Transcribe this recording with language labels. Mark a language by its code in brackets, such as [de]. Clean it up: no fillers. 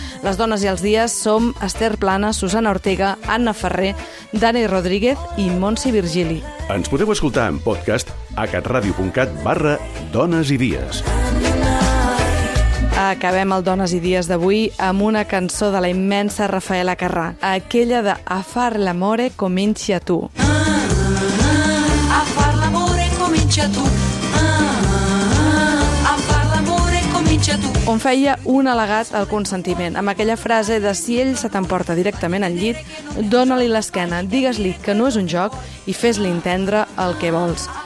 [ca] Les dones i els dies som Esther Plana, Susana Ortega, Anna Ferrer, Dani Rodríguez i Montse Virgili. Ens podeu escoltar en podcast a catradio.cat/donesidies. Acabem el Dones i Dies d'avui amb una cançó de la immensa Rafaela Carrà, aquella de A far l'amore comincia tu. [it] A far l'amore comincia tu. A far l'amore comincia tu. [ca] on feia un al·legat al consentiment, amb aquella frase de si ell se t'emporta directament al llit, dóna-li l'esquena, digues-li que no és un joc i fes-li entendre el que vols.